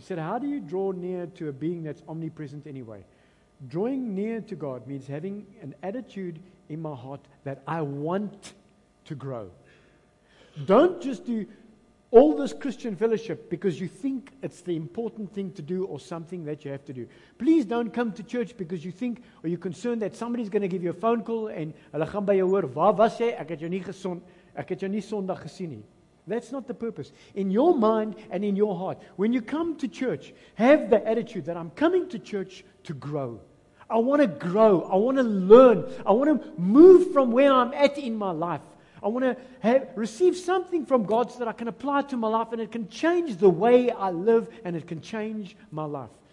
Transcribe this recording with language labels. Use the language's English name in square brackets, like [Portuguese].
[English] We said, how do you draw near to a being that's omnipresent anyway? Drawing near to God means having an attitude in my heart that I want to grow. Don't just do all this Christian fellowship because you think it's the important thing to do or something that you have to do. Please don't come to church because you think or you're concerned that somebody's going to give you a phone call and [Afrikaans] hulle gaan by jou hoor, waar was jy? Ek het jou nie Sondag gesien nie. [English] That's not the purpose. In your mind and in your heart, when you come to church, have the attitude that I'm coming to church to grow. I want to grow. I want to learn. I want to move from where I'm at in my life. I want to receive something from God so that I can apply to my life and it can change the way I live and it can change my life.